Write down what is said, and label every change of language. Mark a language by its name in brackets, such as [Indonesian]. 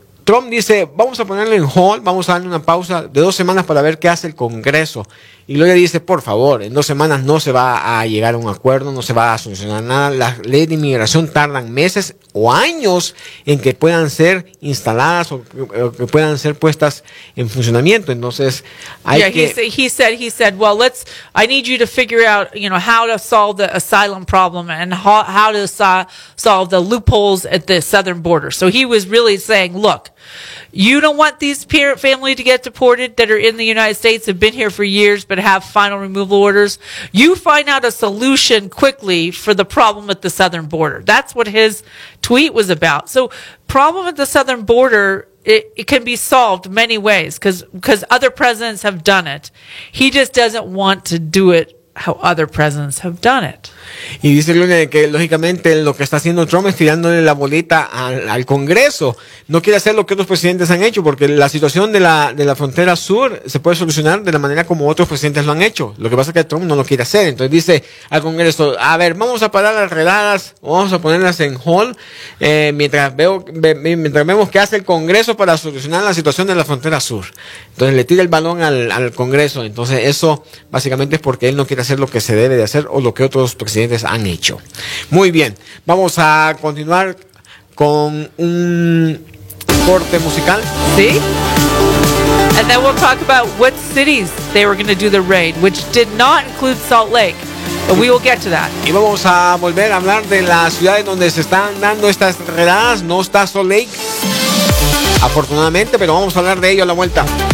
[Spanish] Trump dice, vamos a ponerlo en hold, vamos a darle una pausa de 2 semanas para ver qué hace el Congreso. Y luego dice, por favor, en 2 semanas no se va a llegar a un acuerdo, no se va a solucionar nada. Las leyes de inmigración tardan meses o años en que puedan ser instaladas o que puedan ser puestas en funcionamiento. Entonces, hay [English] he said, well, let's, I need you to figure out, you know, how to solve the asylum problem and how to solve the loopholes at the southern border. So he was really saying, look, you don't want these parent family to get deported that are in the United States, have been here for years, but have final removal orders. You find out a solution quickly for the problem at the southern border. That's what his tweet was about. So problem at the southern border, it can be solved many ways because other presidents have done it. He just doesn't want to do it how other presidents have done it. [Spanish] Y dice Luna que lógicamente lo que está haciendo Trump es tirándole la bolita al Congreso. No quiere hacer lo que otros presidentes han hecho, porque la situación de la frontera sur se puede solucionar de la manera como otros presidentes lo han hecho. Lo que pasa es que Trump no lo quiere hacer. Entonces dice al Congreso, a ver, vamos a parar las redadas, vamos a ponerlas en hold, mientras vemos qué hace el Congreso para solucionar la situación de la frontera sur. Entonces le tira el balón al Congreso. Entonces eso básicamente es porque él no quiere hacer lo que se debe de hacer o lo que otros presidentes han hecho. Muy bien, vamos a continuar con un corte musical. Sí. [English] And then we'll talk about what cities they were going to do the raid, which did not include Salt Lake. But we will get to that. [Spanish] Y vamos a volver a hablar de las ciudades donde se están dando estas redadas. No está Salt Lake, afortunadamente, pero vamos a hablar de ello a la vuelta.